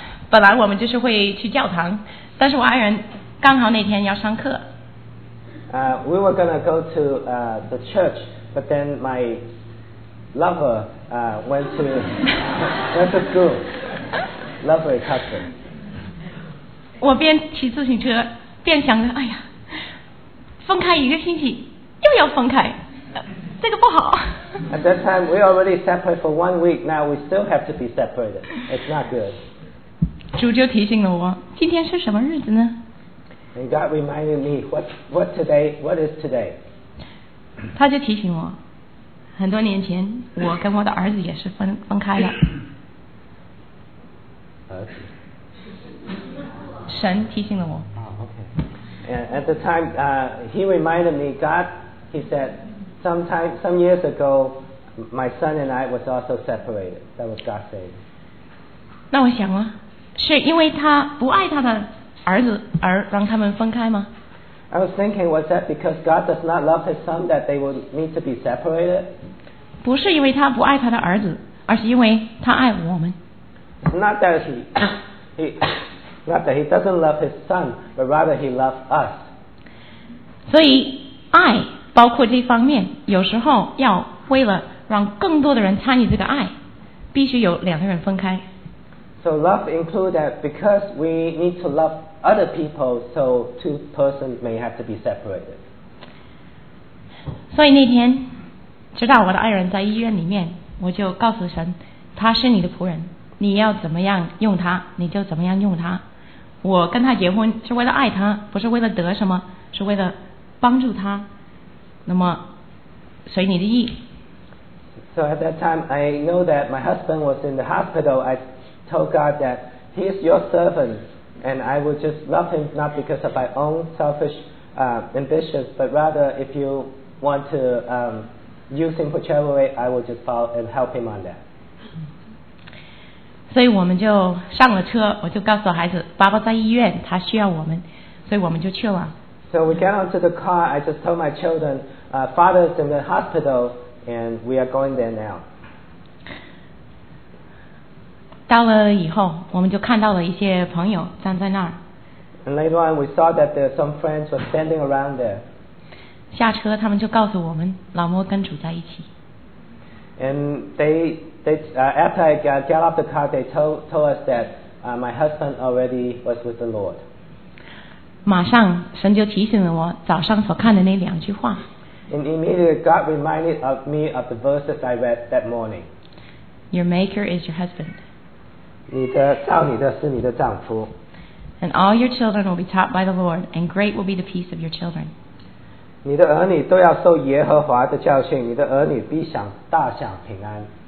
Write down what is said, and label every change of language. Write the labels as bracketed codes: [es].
[zh] 本来我们就是会去教堂。但是我爱人刚好那天要上课。 [en] We were gonna go to the church, but then my lover went to school. Lovely cousin. [zh] 我边骑自行车边想着，哎呀，分开一个星期又要分开，这个不好。 [en] At that time, we already separated for 1 week. Now we still have to be separated. It's not good. [zh] 主就提醒了我，今天是什么日子呢？ [en] And God reminded me, what is today? [zh] 他就提醒我，很多年前，我跟我的儿子也是分开了。儿子。神提醒了我。 [en] Okay. At the time, he reminded me, God, he said, some years ago, my son and I was also separated. That was God saying. [zh] 那我想啊。是因为他不爱他的儿子而让他们分开吗？ [en] I was thinking, was that because God does not love his son that they would need to be separated? [zh] 不是因为他不爱他的儿子，而是因为他爱我们。 [en] Not that he doesn't love his son, but rather he loves us. [zh] 所以爱包括这方面，有时候要为了让更多的人参与这个爱，必须有两个人分开。 [en] So love includes that because we need to love other people, so two persons may have to be separated. [zh] 所以那天，知道我的爱人在医院里面，我就告诉神，他是你的仆人，你要怎么样用他，你就怎么样用他。我跟他结婚是为了爱他，不是为了得什么，是为了帮助他。那么，随你的意。 [en] So at that time, I know that my husband was in the hospital. I told God that he is your servant and I will just love him not because of my own selfish ambitions but rather if you want to use him for charity I will just follow and help him on that. [zh] 所以我们就上了车我就告诉孩子爸爸在医院他需要我们所以我们就去了。 [en] So we got onto the car I just told my children father is in the hospital and we are going there now. [zh] 到了以后，我们就看到了一些朋友站在那儿。 [en] And later on, we saw that there are some friends were standing around there. [zh] 下车，他们就告诉我们，老莫跟主在一起。 [en] And after I got off the car, they told us that my husband already was with the Lord. [zh] 马上，神就提醒了我早上所看的那两句话。 [en] And immediately God reminded of me of the verses I read that morning. Your maker is your husband. [zh] 你的造你的是你的丈夫。 [en] And all your children will be taught by the Lord, and great will be the peace of your children. [zh] 你的儿女都要受耶和华的教训，你的儿女必享大享平安。